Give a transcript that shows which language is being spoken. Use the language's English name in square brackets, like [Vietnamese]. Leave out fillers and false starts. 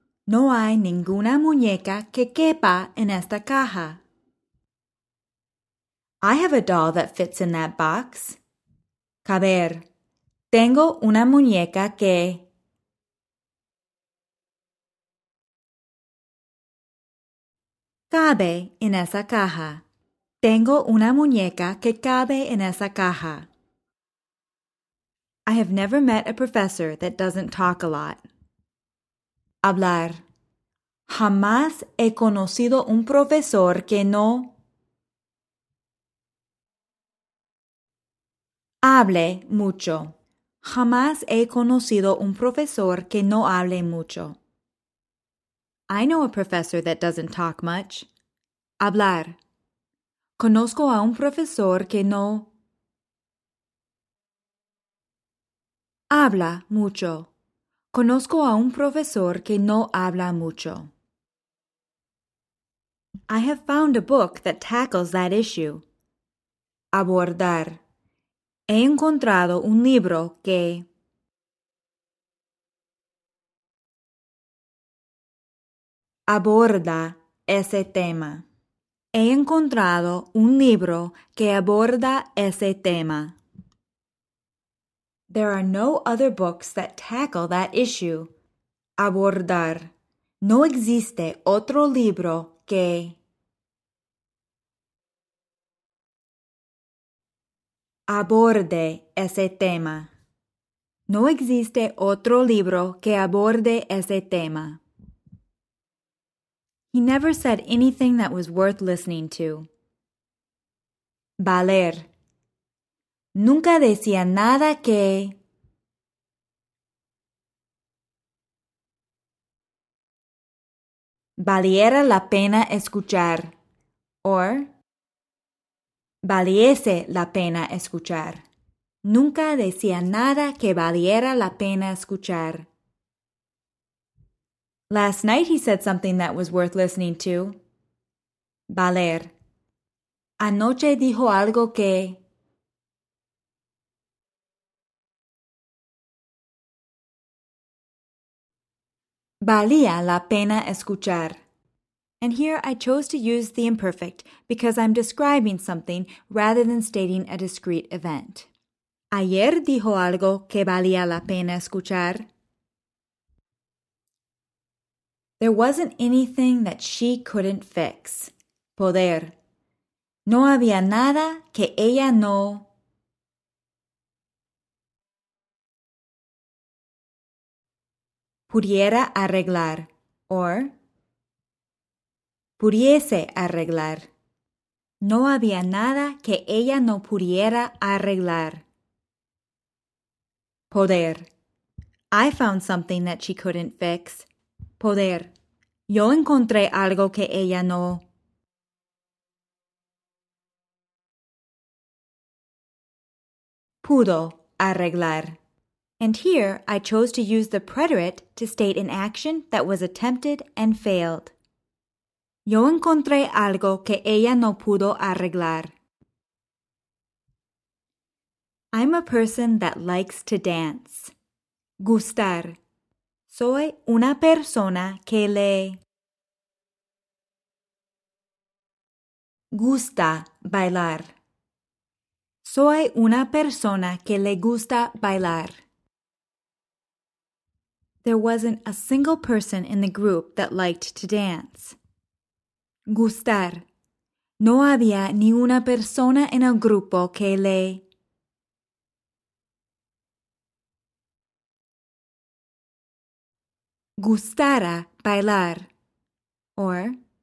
[Spanish] No hay ninguna muñeca que quepa en esta caja. [English] I have a doll that fits in that box. [Spanish] Caber. Tengo una muñeca que... cabe en esa caja. Tengo una muñeca que cabe en esa caja. [English] I have never met a professor that doesn't talk a lot. Hablar. [Spanish] Jamás he conocido un profesor que no... hable mucho. Jamás he conocido un profesor que no hable mucho. [English] I know a professor that doesn't talk much. [Spanish] Hablar. Conozco a un profesor que no... habla mucho. Conozco a un profesor que no habla mucho. [English] I have found a book that tackles that issue. [Spanish] Abordar. He encontrado un libro que... aborda ese tema. He encontrado un libro que aborda ese tema. [English] There are no other books that tackle that issue. [Spanish] Abordar. No existe otro libro que... aborde ese tema. No existe otro libro que aborde ese tema. [English] He never said anything that was worth listening to. [Spanish] Valer. Nunca decía nada que... valiera la pena escuchar. Or... valiese la pena escuchar. Nunca decía nada que valiera la pena escuchar. [English] Last night he said something that was worth listening to. Valer. [Spanish] Anoche dijo algo que... valía la pena escuchar. [English] And here I chose to use the imperfect because I'm describing something rather than stating a discrete event. [Spanish] Ayer dijo algo que valía la pena escuchar. [English] There wasn't anything that she couldn't fix. Poder. [Spanish] No había nada que ella no... pudiera arreglar. Or... pudiese arreglar. No había nada que ella no pudiera arreglar. [English] Poder. I found something that she couldn't fix. Poder. [Spanish] Yo encontré algo que ella no... pudo arreglar. [English] And here, I chose to use the preterite to state an action that was attempted and failed. [Spanish] Yo encontré algo que ella no pudo arreglar. [English] I'm a person that likes to dance. Gustar. [Spanish] Soy una persona que le... gusta bailar. Soy una persona que le gusta bailar. [English] There wasn't a single person in the group that liked to dance. [Spanish] Gustar. No había ni una persona en el grupo que le... gustara bailar. Or...